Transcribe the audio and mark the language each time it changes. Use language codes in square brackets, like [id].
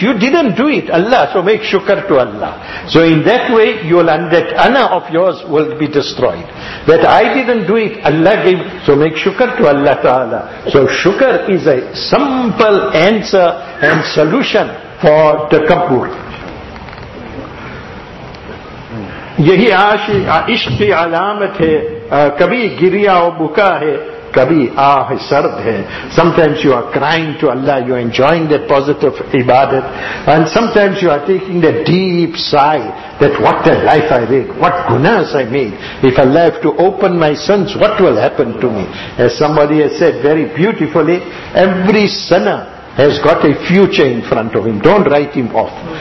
[en] You didn't do it, Allah. So make shukr to Allah. So in that way, that ana of yours will be destroyed. That I didn't do it, Allah gave. So make shukr to Allah Ta'ala. So shukr is a simple answer and solution for the takabbur. [ur] یہی عشق کی علامت ہے کبھی گریہ و بکا ہے kabhi aah sard hai. [en] Sometimes you are crying to Allah, you are enjoying the positive ibadat, and sometimes you are taking the deep sigh that what a life I lead, what gunas I made. If Allah have to open my sins, what will happen to me? As somebody has said very beautifully, every sinner has got a future in front of him. Don't write him off.